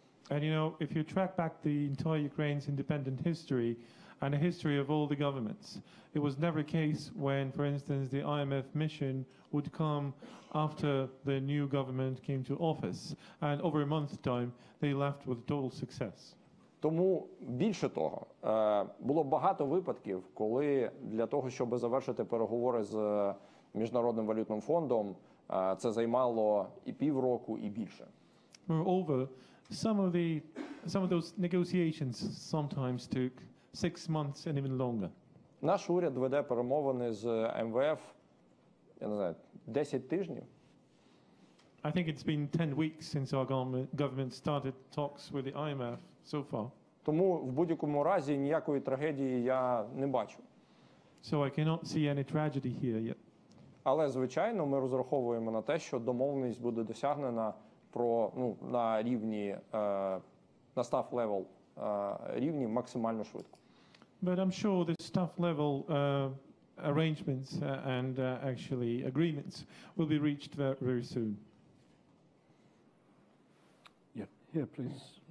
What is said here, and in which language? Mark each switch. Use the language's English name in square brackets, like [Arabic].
[English] And you know, if you track back the entire Ukraine's independent history, and a history of all the governments. It was never a case when, for instance, the IMF mission would come after the new government came to office. And over a month's time, they left with total success. [Ukrainian] Тому більше того, було багато випадків, коли для того, щоб завершити переговори з Міжнародним валютним фондом, це займало і півроку, і більше. [English] Moreover, some of those negotiations sometimes took 6 months and even longer. [Ukrainian] Наш уряд веде перемовини з МВФ, я не знаю, 10 тижнів. [English] I think it's been 10 weeks since our government started talks with the IMF so far. [Ukrainian] Тому в будь-якому разі ніякої трагедії я не бачу. [English] So I cannot see any tragedy here yet. [Ukrainian] Але звичайно, ми розраховуємо на те, що домовленість буде досягнена про, ну, на рівні на staff level рівні максимальну швидкість. [English] But I'm sure the staff level arrangements and actually agreements will be reached very soon. Yeah, here, please.